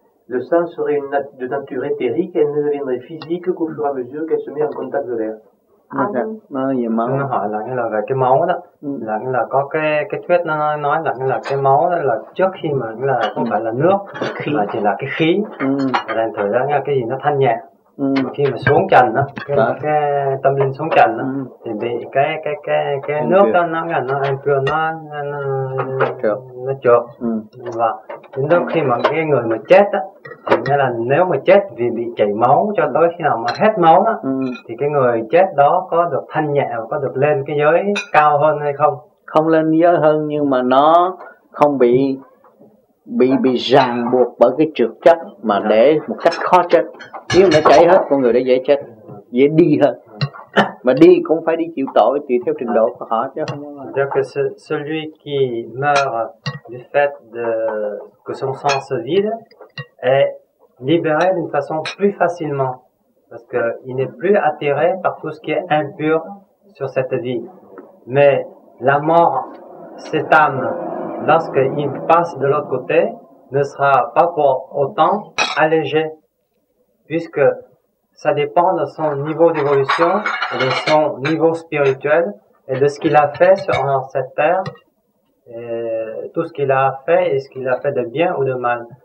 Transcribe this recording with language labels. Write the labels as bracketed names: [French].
[French] Le sang serait de nature éthérique et elle ne deviendrait physique qu'au fur et à mesure qu'elle se met en contact de l'air. [Vietnamese] Khi mà xuống trần đó, cái tâm linh xuống trần đó, thì bị cái nước đó nó em vừa nó trượt. Và đến lúc khi mà cái người mà chết á, thì nghĩa là nếu mà chết vì bị chảy máu cho tới khi nào mà hết máu đó, thì cái người chết đó có được thanh nhẹ và có được lên cái giới cao hơn hay không? Không lên giới hơn, nhưng mà nó không bị bị ràng buộc bởi cái trược chấp mà để một cách khó chết. Nếu mà chảy hết, con người đã dễ chết, dễ đi hơn. Mà đi cũng phải đi chịu tội tùy theo trình độ của họ chứ không. [French] Donc celui qui meurt du fait de que son sang se vide est libéré d'une façon plus facilement parce que il n'est plus attiré par tout ce qui est impur sur cette vie. Mais la mort, cette âme, lorsqu'il passe de l'autre côté, ne sera pas pour autant allégée puisque ça dépend de son niveau d'évolution, de son niveau spirituel et de ce qu'il a fait sur cette terre, et tout ce qu'il a fait et ce qu'il a fait de bien ou de mal.